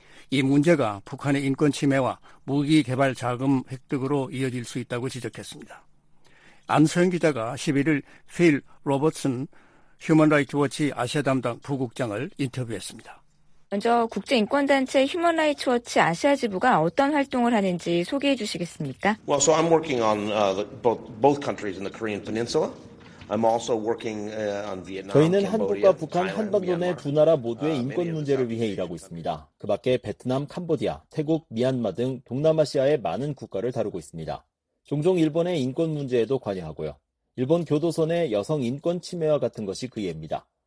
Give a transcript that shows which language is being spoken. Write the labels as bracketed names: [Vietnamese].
[Korean] 이 문제가 북한의 인권 침해와 무기 개발 자금 획득으로 이어질 수 있다고 지적했습니다. 안소영 기자가 11일 필 로버슨 휴먼라이트워치 아시아 담당 부국장을 인터뷰했습니다. 먼저 국제인권단체 휴먼라이트워치 아시아 지부가 어떤 활동을 하는지 소개해 주시겠습니까? [English] Well, so I'm working on both countries in the Korean Peninsula. I'm also working on Vietnam. [Korean] 저희는 한국과 북한 한반도 내 두 나라 모두의 인권 문제를 위해 일하고 있습니다. 그 밖에 베트남, 캄보디아, 태국, 미얀마 등 동남아시아의 많은 국가를 다루고 있습니다. 종종 일본의 인권 문제에도 관여하고요. 일본 교도소 내 여성 인권 침해와 같은 것이 그 예입니다.